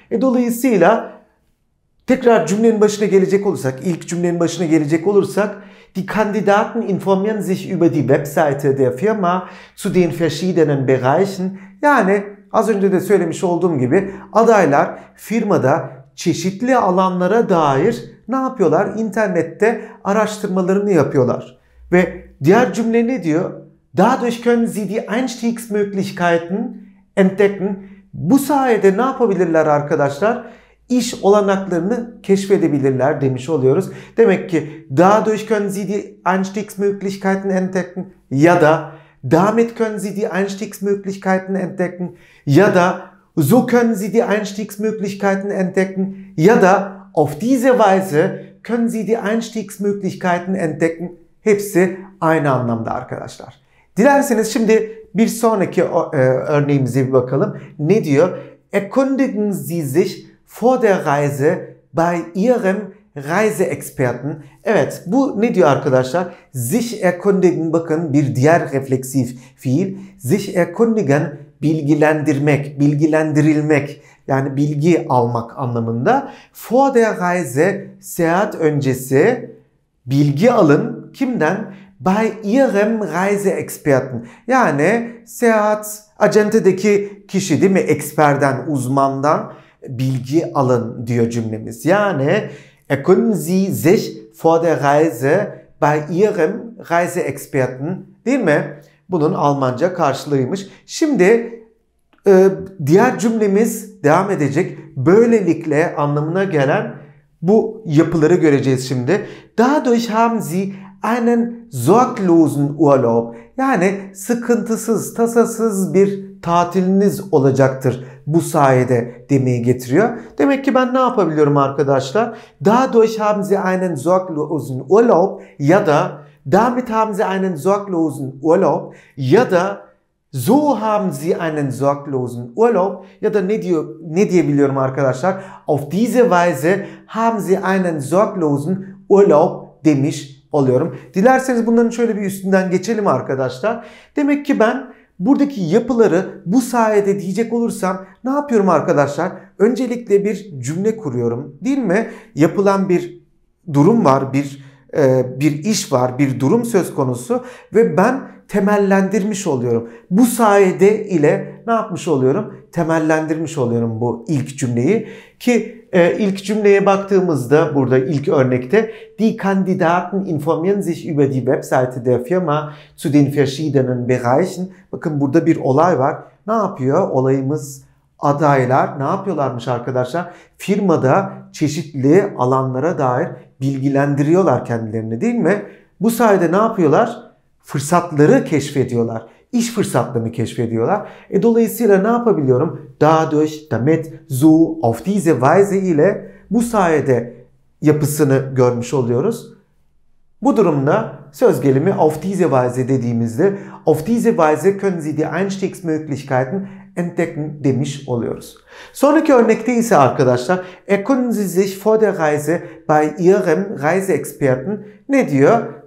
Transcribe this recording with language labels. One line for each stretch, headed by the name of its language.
Turkish: Dolayısıyla tekrar cümlenin başına gelecek olursak, ilk cümlenin başına gelecek olursak
German: Die Kandidaten informieren sich über die Webseite der Firma zu den verschiedenen Bereichen.
Turkish: Yani az önce de söylemiş olduğum gibi adaylar firmada çeşitli alanlara dair ne yapıyorlar? İnternette araştırmalarını yapıyorlar. Ve diğer cümle ne diyor?
German: Dadurch können sie die Einstiegsmöglichkeiten entdecken.
Turkish: Bu sayede ne yapabilirler arkadaşlar? İş olanaklarını keşfedebilirler demiş oluyoruz.
German: Demek ki dadurch können sie die Einstiegsmöglichkeiten entdecken
Turkish: ya da
German: damit können sie die Einstiegsmöglichkeiten entdecken ya da so können sie die Einstiegsmöglichkeiten entdecken ya da auf diese Weise können sie die Einstiegsmöglichkeiten entdecken.
Turkish: Hepsi aynı anlamda arkadaşlar. Dilerseniz şimdi bir sonraki örneğimize bir bakalım. Ne diyor?
German: Erkundigen Sie sich vor der Reise bei ihrem Reiseexperten.
Turkish: Evet, bu ne diyor arkadaşlar?
German: Sich erkundigen,
Turkish: bakın bir diğer refleksif fiil.
German: Sich erkundigen,
Turkish: bilgilendirmek, bilgilendirilmek, yani bilgi almak anlamında.
German: Vor der Reise,
Turkish: seyahat öncesi bilgi alın kimden?
German: Bei ihrem Reiseexperten.
Turkish: Yani seyahat acentedeki kişi değil mi? Eksperden, uzmandan bilgi alın diyor cümlemiz. Yani
German: erkunden Sie sich vor der Reise bei Ihrem Reiseexperten,
Turkish: değil mi? Bunun Almanca karşılığıymış. Şimdi diğer cümlemiz devam edecek. Böylelikle anlamına gelen bu yapıları göreceğiz şimdi.
German: Dadurch haben Sie einen sorglosen Urlaub.
Turkish: Yani sıkıntısız, tasasız bir tatiliniz olacaktır bu sayede demeye getiriyor. Demek ki ben ne yapabiliyorum arkadaşlar?
German: Dadurch haben Sie einen sorglosen Urlaub
Turkish: ya da
German: damit haben Sie einen sorglosen Urlaub ya da so haben Sie einen sorglosen Urlaub
Turkish: ya da ne diyor, ne diyebiliyorum arkadaşlar?
German: Auf diese Weise haben Sie einen sorglosen Urlaub
Turkish: demiş oluyorum. Dilerseniz bunların şöyle bir üstünden geçelim arkadaşlar. Demek ki ben buradaki yapıları bu sayede diyecek olursam ne yapıyorum arkadaşlar? Öncelikle bir cümle kuruyorum, değil mi? Yapılan bir durum var, bir iş var, bir durum söz konusu ve ben temellendirmiş oluyorum. Bu sayede ile ne yapmış oluyorum? Temellendirmiş oluyorum bu ilk cümleyi. Ki ilk cümleye baktığımızda burada ilk örnekte
German: Die Kandidaten informieren sich über die Webseite der Firma zu den verschiedenen Bereichen.
Turkish: Bakın burada bir olay var. Ne yapıyor? Olayımız adaylar ne yapıyorlarmış arkadaşlar? Firmada çeşitli alanlara dair bilgilendiriyorlar kendilerini, değil mi? Bu sayede ne yapıyorlar? Fırsatları keşfediyorlar. İş fırsatlarını keşfediyorlar. Dolayısıyla ne yapabiliyorum?
German: Dadurch, damit, so, auf diese Weise
Turkish: ile bu sayede yapısını görmüş oluyoruz. Bu durumda söz gelimi
German: auf diese Weise
Turkish: dediğimizde
German: auf diese Weise können Sie die Einstiegsmöglichkeiten entdecken
Turkish: demiş oluyoruz. Sonraki örnekte ise arkadaşlar
German: können Sie sich vor der Reise bei Ihrem Reiseexperten
Turkish: ne diyor?